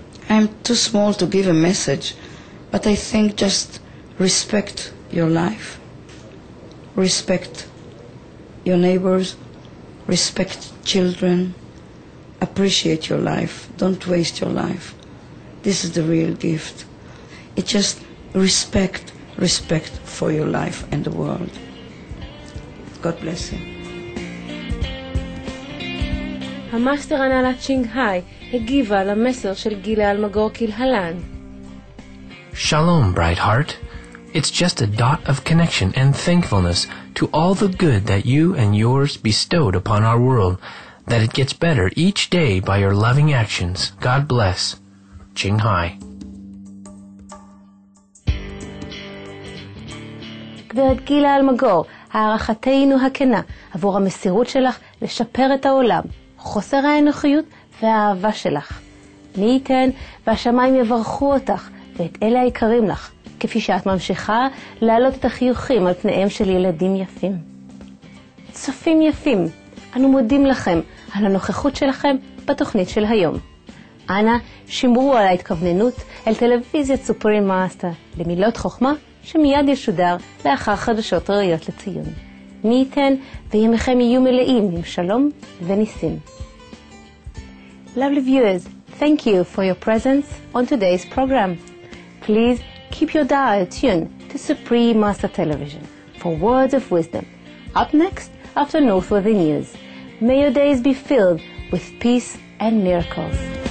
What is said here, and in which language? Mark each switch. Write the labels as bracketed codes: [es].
[en] I'm too small to give a message, but I think just respect your life, respect your neighbors, respect children, appreciate your life, don't waste your life. This is the real gift. It's just respect, respect for your life and the world. God bless you. [he] המאסטר ענה לה צ'ינג היי, הגיבה למסר של גילה אלמגור כלהלן. [en] Shalom, bright heart. It's just a dot of connection and thankfulness to all the good that you and yours bestowed upon our world, that it gets better each day by your loving actions. God bless. Ching Hai. [he] גברת גילה אלמגור, הערכתנו הכנה עבור המסירות שלך לשפר את העולם, חוסר האנוכיות והאהבה שלך. מי ייתן והשמיים יברכו אותך ואת אלה היקרים לך, כפי שאת ממשיכה להעלות את החיוכים על פניהם של ילדים יפים. צופים יפים, אנו מודים לכם על הנוכחות שלכם בתוכנית של היום. אנא, שימרו על ההתכווננות אל טלוויזיה סופרים מאסטר למילות חוכמה שמיד ישודר לאחר חדשות ראיות לציון. מי ייתן וימיכם יהיו מלאים עם שלום וניסים. [en] Lovely viewers, thank you for your presence on today's program. Please keep your dial tuned to Supreme Master Television for words of wisdom. Up next, after Noteworthy News, may your days be filled with peace and miracles.